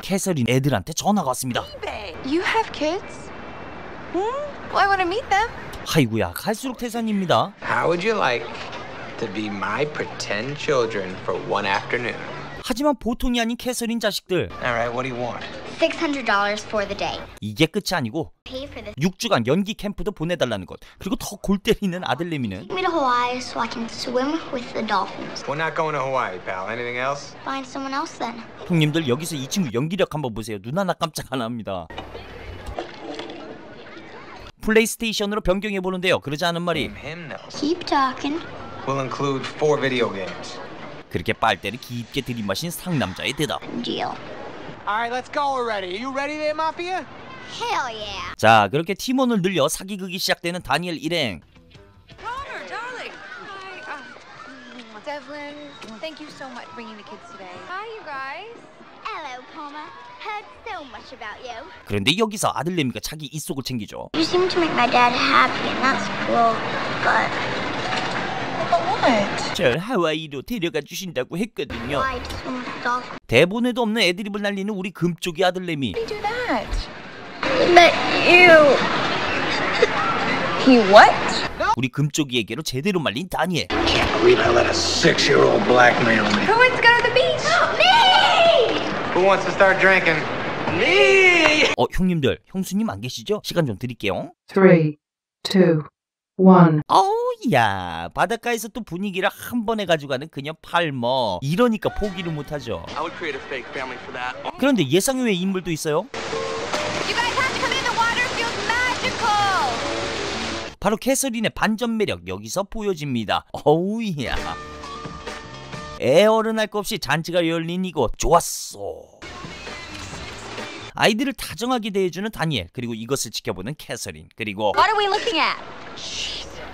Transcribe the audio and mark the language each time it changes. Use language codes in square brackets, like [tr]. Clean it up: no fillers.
[ko] 캐서린 애들한테 전화가 왔습니다. [en] You have kids? Hmm? Why would I meet them? [ko] 아이구야, 갈수록 태산입니다. [en] How would you like to be my pretend children for one afternoon? [ko] 하지만 보통이 아닌 캐서린 자식들. [en] Alright, what do you want? $600 for the day. [ko] 이게 끝이 아니고 6주간 연기 캠프도 보내달라는 것. 그리고 더 골 때리는 아들 내미는 [en] Take me to Hawaii so I can swim with the dolphins. We're not going to Hawaii, pal. Anything else? Find someone else then. [ko] 형님들 여기서 이 친구 연기력 한번 보세요. 눈 하나 깜짝 안 합니다. 플레이스테이션으로 변경해 보는데요. 그러지 않은 말이 [en] Keep talking. We'll include 4 video games. [ko] 그렇게 빨대를 깊게 들이마신 상남자의 대답. [en] Deal. All right, let's go already. You ready there, mafia? Hell yeah. [ko] 자, 그렇게 팀원을 늘려 사기극이 시작되는 다니엘 일행. [en] Palmer, darling. Hi. Devlin. Thank you so much for bringing the kids today. Hi, you guys. Hello, Palmer. Heard so much about you. [ko] 그런데 여기서 아들 내미가 자기 이 속을 챙기죠. [en] You seem to make my dad happy, and that's cool, but... What? [ko] 절 하와이로 데려가 주신다고 했거든요. [en] Why do you want a dog? [ko] 대본에도 없는 애드립을 날리는 우리 금쪽이 아들 내미. [en] Why do you do that? But you... He what? [ko] 우리 금쪽이에게로 제대로 말린 다니엘. [en] I can't believe I let a six-year-old blackmail me. Who wants to go to the beach? Not me! Who wants to start drinking? Me! [ko] 어, 형님들, 형수님 안 계시죠? 시간 좀 드릴게요. 3, 2, 1. 어우, 야, 바닷가에서 또 분위기를 한 번에 가져가는 그녀 팔머. 이러니까 포기를 못하죠. [en] I would create a fake family for that. [ko] 그런데 예상 외의 인물도 있어요. [en] You guys have to come in, the water feels magical. [ko] 바로 캐서린의 반전 매력 여기서 보여집니다. 어우, 야, 애어른 할 것 없이 잔치가 열린 이곳 좋았어. 아이들을 다정하게 대해주는 다니엘, 그리고 이것을 지켜보는 캐서린, 그리고 [en] What are we looking at?